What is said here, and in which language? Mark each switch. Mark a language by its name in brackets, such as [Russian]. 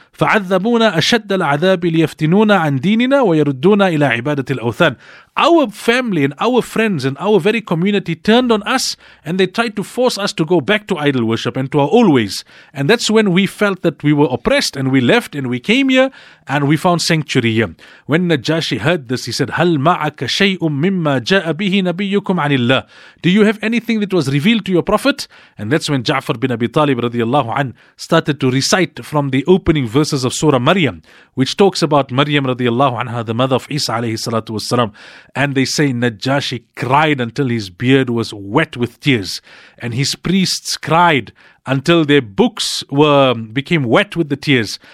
[Arabic] فَعَذَّبُونَ أَشَدَّ الْعَذَابِ لِيَفْتِنُونَ عَنْ دِينِنَا وَيَرُدُّونَ إِلَىٰ عِبَادَةِ الْأَوْثَانِ. [English] Our family and our friends and our very community turned on us, and they tried to force us to go back to idol worship and to our old ways. And that's when we felt that we were oppressed, and we left and we came here and we found sanctuary here. When Najashi heard this, he said, [Arabic] هَلْ مَعَكَ شَيْءٌ مِمَّا جَاءَ بِهِ نَبِيُّكُمْ عَنِ اللَّهِ. [English] Do you have anything that was revealed to your prophet? And that's when Ja'far bin Abi Talib radiallahu an started to recite from the opening verses of Surah Maryam, which talks about Maryam radiallahu anha, the mother of Isa alayhi salatu wasalam. And they say Najashi cried until his beard was wet with tears, and his priests cried until their books became wet with the tears.